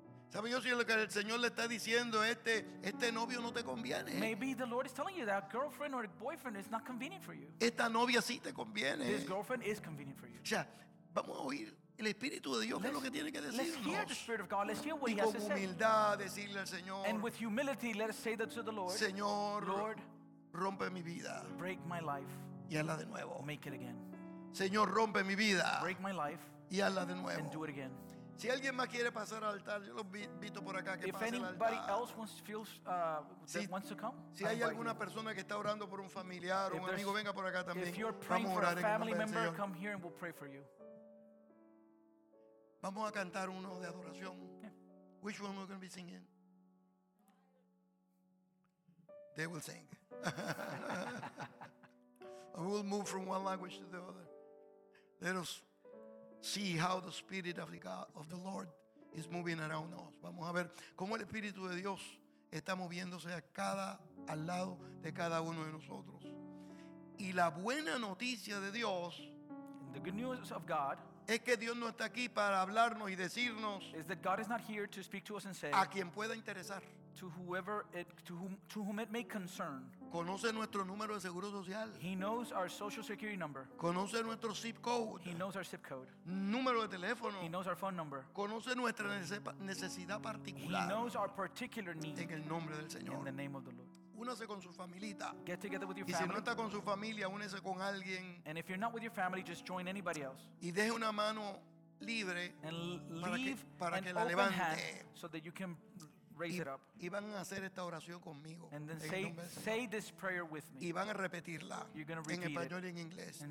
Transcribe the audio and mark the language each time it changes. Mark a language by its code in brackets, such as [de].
[es] ¿Sabe yo si lo que el Señor le está diciendo este novio no te conviene? [en] Maybe the Lord is telling you that girlfriend or boyfriend is not convenient for you. [es] Esta novia sí te conviene. [en] This girlfriend is convenient for you. [es] O sea, vamos a oír el Espíritu de Dios, ¿qué es lo que tiene que decirnos? [en] Let's hear the Spirit of God. Let's hear what [es] y [en] he has [es] con humildad decirle al Señor. [en] And with humility, let us say that to the Lord. [es] Señor, [en] Lord, [es] rompe mi vida. [en] Break my life. [es] Y hazla de nuevo. [en] Make it again. [es] Señor, rompe mi vida. [en] Break my life. [es] Y hazla de nuevo. [en] And do it again. [es] Si alguien más quiere pasar al altar, yo los invito por acá que [en] if [es] pase al altar. [en] If anybody else wants feels si, that wants to come. [es] Si hay alguna [en] you. [es] Persona que está orando por un familiar [en] if [es] o un amigo, venga por acá también. [en] If you're praying [es] vamos a orar [en] for a family member, come here and we'll pray for you. [es] Vamos a cantar uno de adoración. [en] Yeah. Which one we're going to be singing? They will sing. We will move from one language to the other. Let us see how the Spirit of the God, of the Lord, is moving around us. [es] Vamos a ver cómo el Espíritu de Dios está moviéndose a cada, al lado de cada uno de nosotros. Y la buena noticia de Dios, [en] the good news of God, [es] es que Dios no está aquí para hablarnos y decirnos, [en] is that God is not here to speak to us and say, [es] a quien pueda interesar, [en] to whom it may concern. [es] Conoce nuestro número de seguro social. [en] He knows our social security number. [es] Conoce nuestro zip code. [en] He knows our zip code. [es] Número de teléfono. [en] He knows our phone number. [es] Conoce nuestra necesidad particular. [en] He knows our particular need. [es] En el nombre del Señor. [en] In the name of the Lord. [es] Únase con su familita. [en] Get together with your family. [es] Y si no está con su familia, únese con alguien. [en] And if you're not with your family, just join anybody else. [es] Y deje una mano libre para que la levante. [en] So that you can raise it up. [es] Y van a hacer esta oración conmigo. [en] And then say this prayer with me. [es] Y van a repetirla. [en] You're going to repeat [es] en español y en inglés. [en] In